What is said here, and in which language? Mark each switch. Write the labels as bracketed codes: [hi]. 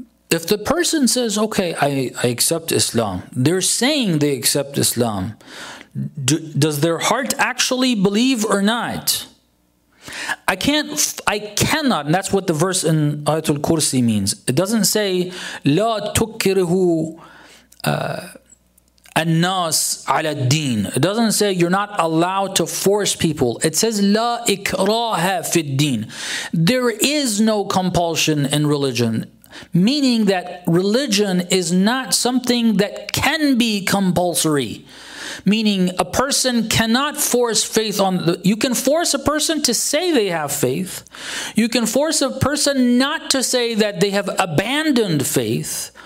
[en] If the person says, okay, I accept Islam, they're saying they accept Islam, does their heart actually believe or not? I cannot, and that's what the verse in Ayatul Kursi means. It doesn't say, [ar] لَا تُكِرِهُ النَّاسِ عَلَى الدِّينِ. [en] It doesn't say you're not allowed to force people. It says, [ar] لَا إِكْرَاهَ فِي الدِّينِ. [en] There is no compulsion in religion, meaning that religion is not something that can be compulsory. Meaning a person cannot force faith on the... You can force a person to say they have faith. You can force a person not to say that they have abandoned faith.